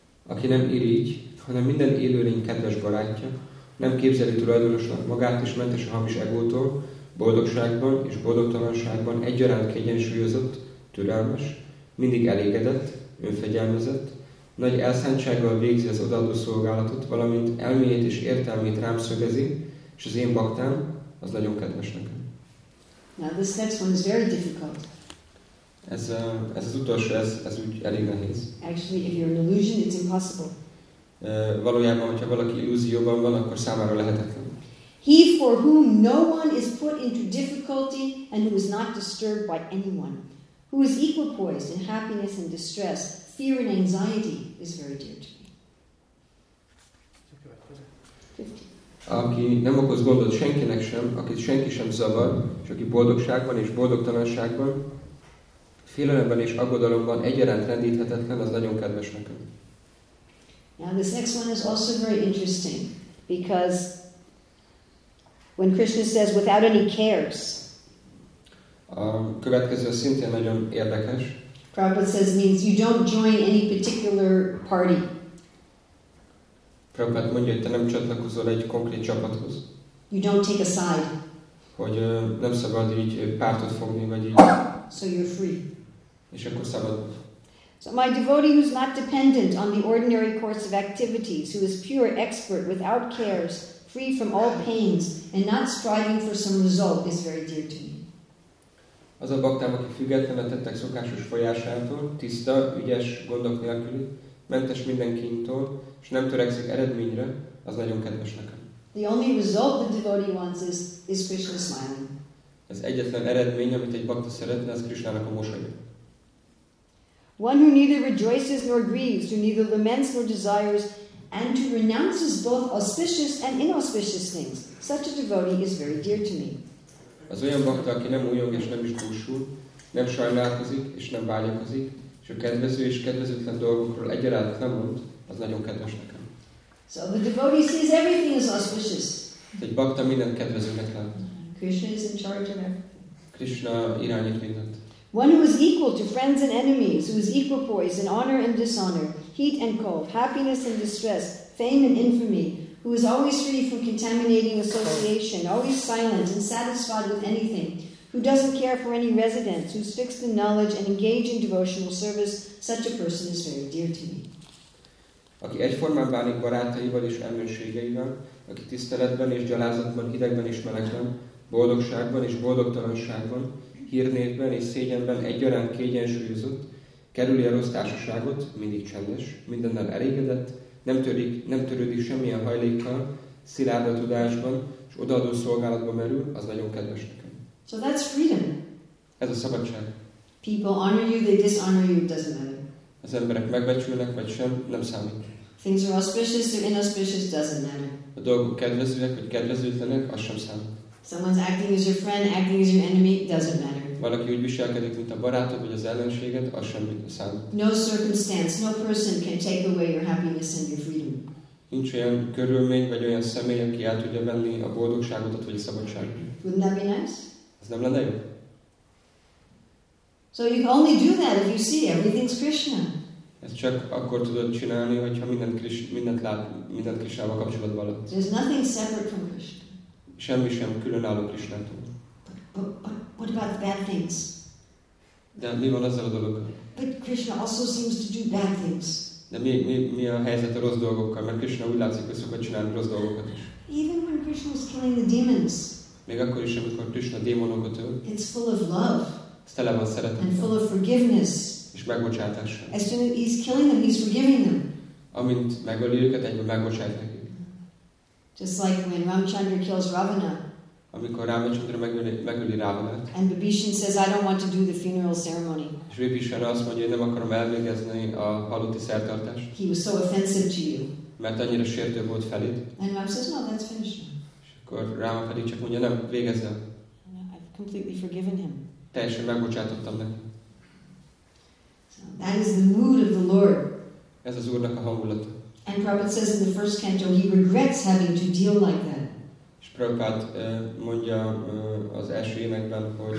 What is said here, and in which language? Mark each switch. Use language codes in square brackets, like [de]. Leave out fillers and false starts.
[hu] Aki nem irigy, hanem minden élőlény kedves barátja, nem képzeli tulajdonosnak magát és mentes a hamis egótól, boldogságban és boldogtalanságban egyaránt kegyensúlyozott, türelmes, mindig elégedett, önfegyelmezett, nagy elszántsággal végzi az odaadó szolgálatot, valamint elméjét és értelmét rám szögezi, és az én baktám az nagyon kedves nekem. [en] Now this next one is very difficult. [hu] Ez az utolsó, ez úgy elég nehéz. [en] Actually, if you're an illusion, it's impossible. [hu] Valójában, hogyha valaki illúzióban van, akkor számára lehetetlen. [en] He for whom no one is put into difficulty and who is not disturbed by anyone, who is equal poised in happiness and distress, fear and anxiety is very dear to me. 50. [hu] Aki nem okoz gondot senkinek sem, akit senki sem zavar, és aki boldogságban és boldogtalanságban, félelemben és aggodalomban egyaránt rendíthetetlen, az nagyon kedves nekem. [en] Now this next one is also very interesting because when Krishna says without any cares, [hu] a következő szintén nagyon érdekes. [en] Prabhupada says means you don't join any particular party. [hu] Prabhupada mondja, hogy te nem csatlakozol egy konkrét csapathoz. [en] You don't take a side. [hu] Hogy nem szabad így pártot fogni vagy így. [en] So you're free. [hu] És akkor szabad. [en] So my devotee who is not dependent on the ordinary course of activities, who is pure, expert, without cares, free from all pains, and not striving for some result, is very dear to me. [hu] Az a baktám, aki független a tettek szokásos folyásától, tiszta, ügyes, gondok nélküli, mentes minden kínytól, és nem törekszik eredményre, az nagyon kedves nekem. [en] The only result the devotee wants is Krishna smiling. [hu] Az egyetlen eredmény, amit egy bakta szeretne, az Krishnának a mosolya. [en] One who neither rejoices nor grieves, who neither laments nor desires, and who renounces both auspicious and inauspicious things, such a devotee is very dear to me. [hu] Az olyan bakta, aki nem újong és nem is dúsul, nem sajnálkozik és nem vágyakozik, és a kedvező és kedvezőtlen dolgokról egyaránt nem mond, az nagyon kedves nekem. [en] So the devotee sees everything as auspicious. [hu] Egy bakta mindent kedvezőnek lát. [en] Krishna is in charge of everything. [hu] Krishna irányít mindent. [en] One who is equal to friends and enemies, who is equal poised in honor and dishonor, heat and cold, happiness and distress, fame and infamy, who is always free from contaminating association, always silent and satisfied with anything, who doesn't care for any residence, who is fixed in knowledge and engaged in devotional service, such a person is very dear to me. [hu] Aki egyformán bánik barátaival és ellenségeivel, aki tiszteletben és gyalázatban, hidegben és melegben, boldogságban és boldogtalanságban, hírnévben és szégyenben egyaránt kiegyensúlyozott, kerüli a rossz társaságot, mindig csendes, mindennel elégedett, nem törődik semmilyen hajlékkal, szilárd a tudásban, és odaadó szolgálatba merül, az nagyon kedves nekem. [en] So that's freedom. [hu] Ez a szabadság. [en] People honor you, they dishonor you, it doesn't matter. [hu] Az emberek megbecsülnek, vagy sem, nem számít. [en] Things are auspicious or inauspicious, doesn't matter. [hu] A dolgok kedvezőek, vagy kedvezőtlenek, az sem számít. [en] Someone's acting as your friend, acting as your enemy, doesn't matter. [hu] Valaki úgy viselkedik, mint a barátod, vagy az ellenséged, az sem számít. [en] No circumstance, no person can take away your happiness and your freedom. [hu] Nincs olyan körülmény, vagy olyan személy, aki el tudja venni a boldogságodat, vagy a szabadságot. [en] Wouldn't that be nice? [hu] Ez nem lenne jó? [en] So you can only do that if you see everything's Krishna. [hu] Ezt csak akkor tudod csinálni, hogyha mindent Krishnával kapcsolatban látsz. [en] There's nothing separate from Krishna. [hu] Semmi sem különálló Krisnától. [en] What about the bad things? [hu] De mi van ezzel a dologgal? [en] But Krishna also seems to do bad things. [hu] De mi a helyzet a rossz dolgokkal? Mert Krishna úgy látszik, hogy szokott csinálni rossz dolgokat is. [en] Even when Krishna was killing the demons. [hu] Még akkor is, amikor Krishna démonokat öl. [en] It's full of love. [hu] Ez tele van szeretettel. [en] And full of forgiveness. [hu] És megbocsátással. [en] As soon as he's killing them, he's forgiving them. [hu] Amint megöli őket, egyben megbocsát nekik. [en] Just like when Ramchandra kills Ravana. [hu] Amikor Ramchandra megöli Ravanát. [en] And Bibhishan says, I don't want to do the funeral ceremony. [hu] És Bibhishan azt mondja, nem akarom elvégezni a halotti szertartást. [en] He was so offensive to you. [hu] Mert annyira sértő volt feléd. [en] And Ram says, no, that's finished. [hu] És akkor Rama pedig csak mondja, nem, végezz el. [en] I've completely forgiven him. [hu] Teljesen megbocsátottam neki. [en] So that is the mood of the Lord. [hu] Ez az Úrnak a hangulata. [en] And Prabhupada says in the first canto, he regrets having to deal like that. [hu] És Prabhupada mondja az első énekben,